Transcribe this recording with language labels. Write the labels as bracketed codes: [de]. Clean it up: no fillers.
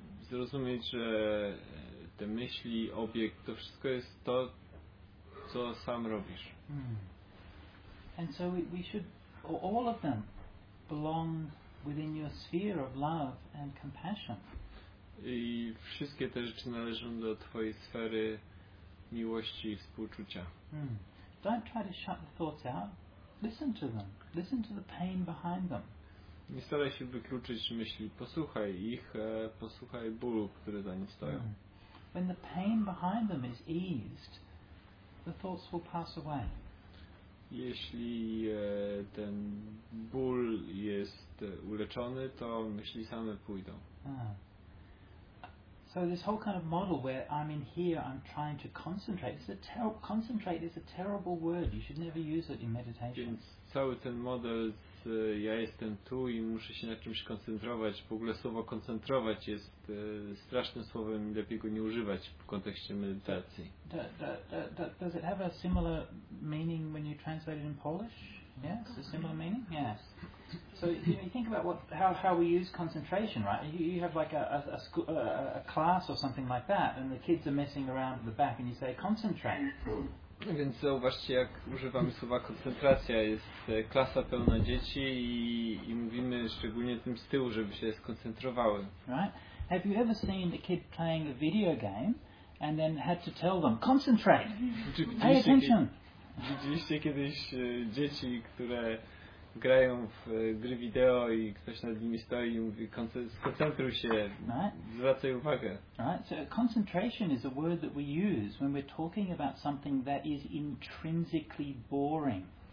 [pl] Zrozumieć, że te myśli, obiekt, to wszystko jest to, co sam robisz. [en] And so we should, all of them belong within your sphere of love and compassion. [pl] I wszystkie te rzeczy należą do twojej sfery miłości i współczucia. [en] Don't try to shut the thoughts out. Listen to them. Listen to the pain behind them. [pl] Nie staraj się wykluczyć myśli. Posłuchaj ich, posłuchaj bólu, które za nim stoją. [en] When the pain behind them is eased, the thoughts will pass away. [pl] Jeśli ten ból jest uleczony, to myśli same pójdą. [en] So this whole kind of model where I'm in here, I'm trying to concentrate. Concentrate is a terrible word. You should never use it in meditation. [pl] Więc cały ten model z ja jestem tu i muszę się na czymś koncentrować. W ogóle słowo koncentrować jest strasznym słowem. Lepiej go nie używać w kontekście medytacji. [en] Does it have a similar meaning when you translate it in Polish? Yes, a similar meaning. Yes. So you think about how we use concentration, right? You have like a class or something like that, and the kids are messing around at the back, and you say concentrate. [pl] Więc zauważcie, jak używamy słowa koncentracja. Jest klasa pełna dzieci i mówimy szczególnie tym z tyłu, żeby się skoncentrowały. [en] Right? Have you ever seen a kid playing a video game and then had to tell them concentrate, pay attention? [pl] Widzieliście kiedyś dzieci, które grają w gry wideo i ktoś nad nimi stoi i mówi, skoncentruj się, zwracaj uwagę. [en] Right, so concentration is a word that we use when we're talking about something that is intrinsically boring.